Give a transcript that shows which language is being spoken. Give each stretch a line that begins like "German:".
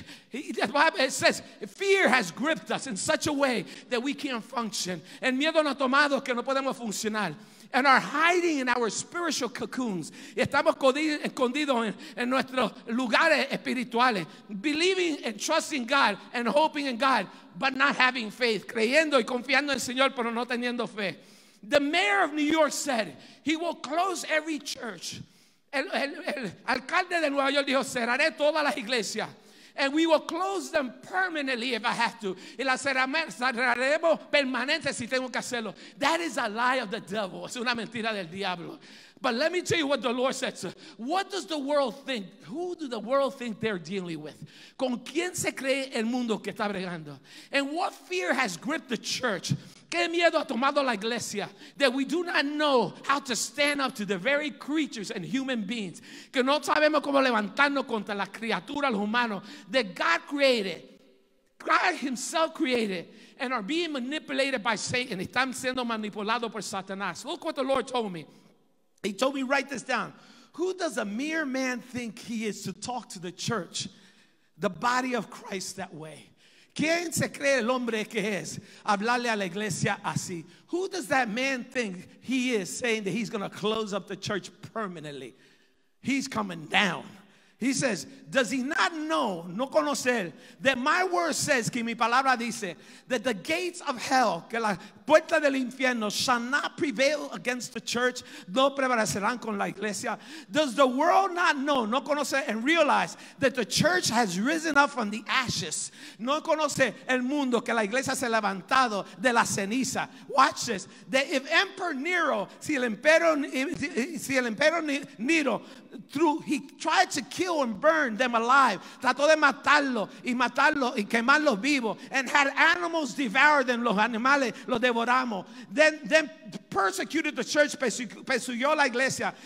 English: It says, fear has gripped us in such a way that we can't function.
Spanish: El miedo nos ha tomado que no podemos funcionar.
English: And are hiding in our spiritual cocoons.
Spanish: Y estamos escondidos en nuestros lugares espirituales.
English: Believing and trusting God and hoping in God, but not having faith.
Spanish: Creyendo y confiando en el Señor, pero no teniendo fe.
English: The mayor of New York said, he will close every church.
Spanish: El alcalde de Nueva York dijo, cerraré todas las iglesias.
English: And we will close them permanently if I have to.
Spanish: Y la cerraremos permanente si tengo que hacerlo.
English: That is a lie of the devil.
Spanish: Es una mentira del diablo.
English: But let me tell you what the Lord says. What does the world think? Who do the world think they're dealing with?
Spanish: ¿Con quién se cree el mundo que está bregando?
English: And what fear has gripped the church?
Spanish: ¿Qué miedo ha tomado la iglesia?
English: That we do not know how to stand up to the very creatures and human beings.
Spanish: Que no sabemos cómo levantarnos contra las criaturas, los humanos.
English: That God created. God himself created. And are being manipulated by Satan.
Spanish: Están siendo manipulados por Satanás.
English: Look what the Lord told me. He told me, write this down. Who does a mere man think he is to talk to the church, the body of Christ, that way?
Spanish: ¿Quién se cree el hombre que es hablarle a la iglesia así?
English: Who does that man think he is saying that he's going to close up the church permanently? He's coming down. He says, does he not know,
Spanish: no conocer,
English: that my word says,
Spanish: que mi palabra dice,
English: that the gates of hell,
Spanish: que la puerta del infierno,
English: shall not prevail against the church,
Spanish: no prevalecerán con la iglesia.
English: Does the world not know,
Spanish: no conocer,
English: and realize that the church has risen up from the ashes?
Spanish: No conoce el mundo que la iglesia se ha levantado de la ceniza.
English: Watch this. That if Emperor Nero,
Spanish: si el Emperor Nero,
English: through, he tried to kill and burn them alive.
Spanish: Trató de matarlo y quemarlos vivos.
English: And had animals devour them,
Spanish: los animales los devoramos.
English: Then persecuted the church,
Spanish: persiguió la iglesia.